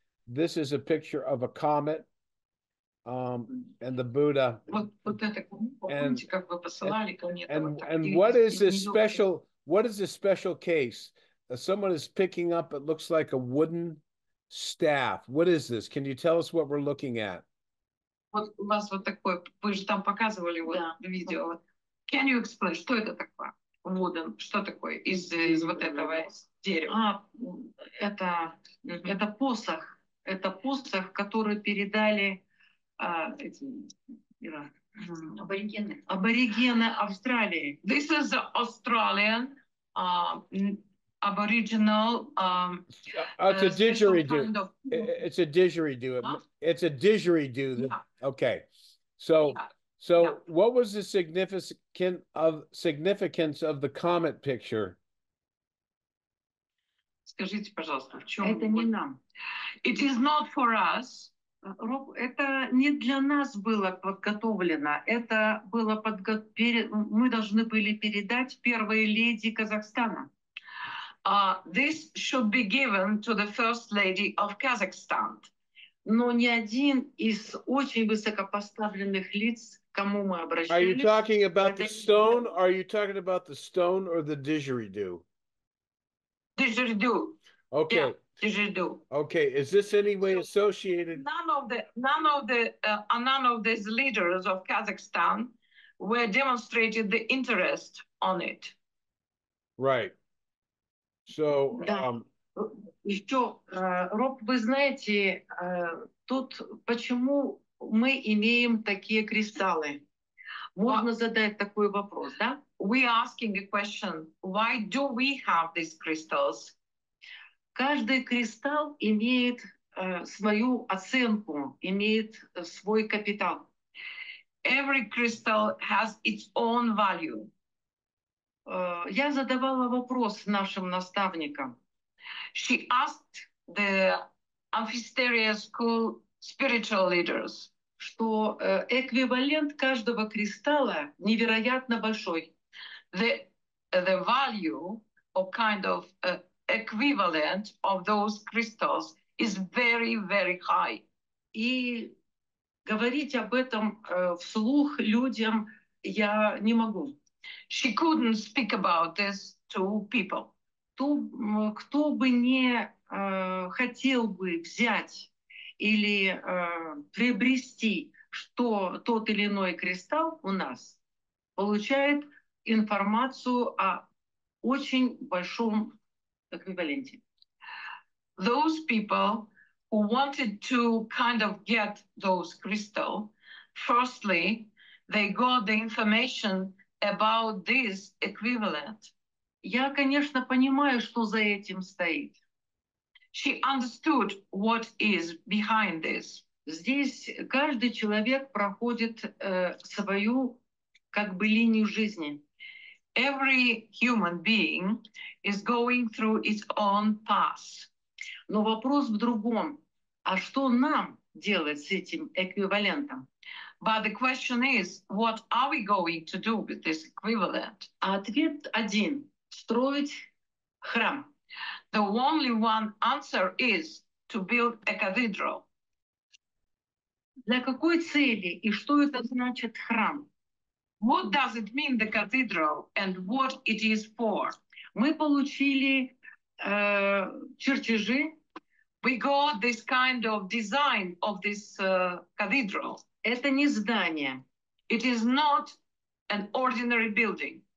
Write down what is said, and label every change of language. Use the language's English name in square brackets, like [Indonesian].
[English] This is a picture of a comet and the Buddha. And what is this special case? Someone is picking up, it looks like a wooden staff. What is this? Can you tell us what we're looking at? [Russian] Вот у вас вот такой, вы же там показывали вот да. видео. Вот. [English] Can you explain, [Russian] что это такое? Wooden, что такое из вот этого дерева? Это посох. Это посох, который передали аборигены Австралии. [English] This is the Australian aboriginal It's a didgeridoo. Kind of... It's a didgeridoo. Huh? It's a didgeridoo. That... Yeah. Okay, so what was the significance of the comet picture? [Russian] Скажите, пожалуйста, в чем? Это не нам. [English] It is not for us. [Russian] Это не для нас было подготовлено. Это было мы должны были передать первой леди Казахстана. [English] This should be given to the first lady of Kazakhstan. [Russian] Но ни один из очень высокопоставленных лиц, кому мы обращались... [English] Are you talking about the stone? Are you talking about the stone or the didgeridoo? Didgeridoo. Okay. Yeah, didgeridoo. Okay. Is this any way associated? None of these leaders of Kazakhstan were demonstrated the interest on it. Right. So... Yeah. [Russian] Еще, Роб, вы знаете, тут почему мы имеем такие кристаллы? Можно задать такой вопрос, да? [English] We are asking a question. Why do we have these crystals? [Russian] Каждый кристалл имеет свою оценку, имеет свой капитал. [English] Every crystal has its own value. [Russian] Я задавала вопрос нашим наставникам. [English] She asked the Amphisteria school spiritual leaders, [Russian] что эквивалент каждого кристалла невероятно большой. [English] The value or kind of equivalent of those crystals is very, very high. [Russian] И говорить об этом вслух людям я не могу. [English] She couldn't speak about this to people. [Russian] Кто бы не хотел бы взять или приобрести что тот или иной кристалл у нас, получает информацию о очень большом эквиваленте. [English] Those people who wanted to kind of get those crystals, firstly, they got the information about this equivalent. [Russian] Я, конечно, понимаю, что за этим стоит. [English] She understood what is behind this. [Russian] Здесь каждый человек проходит свою как бы линию жизни. [English] Every human being is going through its own path. [Russian] Но вопрос в другом. А что нам делать с этим эквивалентом. [English] But the question is, what are we going to do with this equivalent? [Russian] Ответ один. Строить храм. [English] The only one answer is to build a cathedral. [Russian] Для какой цели и что это значит храм? [English] What does it mean, the cathedral, and what it is for? [Russian] Мы получили чертежи. [English] We got this kind of design of this cathedral. [Russian] Это не здание. [English] It is not an ordinary building.